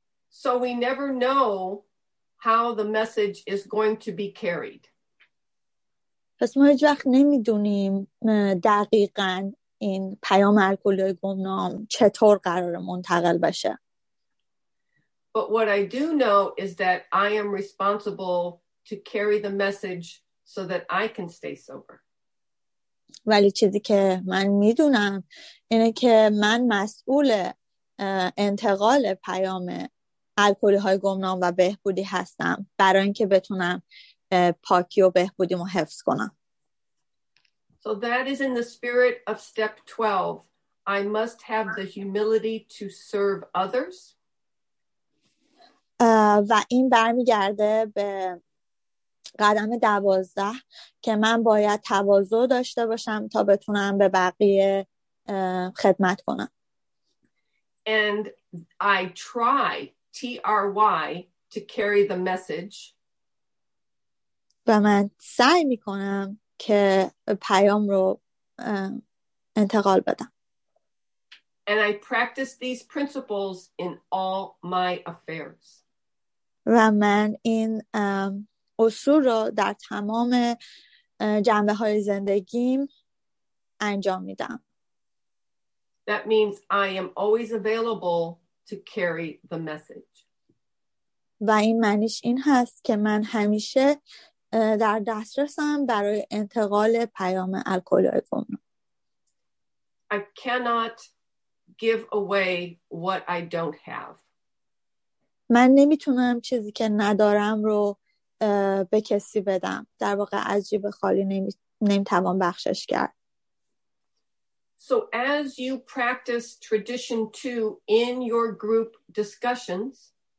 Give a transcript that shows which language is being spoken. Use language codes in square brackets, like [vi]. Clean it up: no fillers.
[en] So we never know how the message is going to be carried. [fa] پس ما هیچ وقت نمیدونیم دقیقاً این پیام الکلی گمنام چطور قرار منتقل بشه. [en] But what I do know is that I am responsible to carry the message so that I can stay sober. [fa] ولی چیزی که من میدونم اینه که من مسئول انتقال پیام الکلی های گمنام و بهبودی هستم برای اینکه بتونم پاکی و بهبودیمو حفظ کنم. [en] So that is in the spirit of step 12. I must have the humility to serve others. [fa] و این برمیگرده به قدم 12 که من باید تواضع داشته باشم تا بتونم به بقیه خدمت کنم. [en] And I try, T-R-Y, to carry the message. [fa] و من سعی میکنم که پیام رو انتقال بدم. [en] And I practice these principles in all my affairs. [fa] و من این اصول رو در تمام جنبه های زندگیم انجام میدم. [en] That means I am always available to carry the message. [fa] و این معنیش این هست که من همیشه در دسترسم برای انتقال پیام الکلی گمنام. [en] I cannot give away what I don't have. [fa] من نمیتونم چیزی که ندارم رو به کسی بدم. در واقع از جیب خالی نمیتوان بخشش کرد. [en] So as you practice tradition 2 in your group discussions,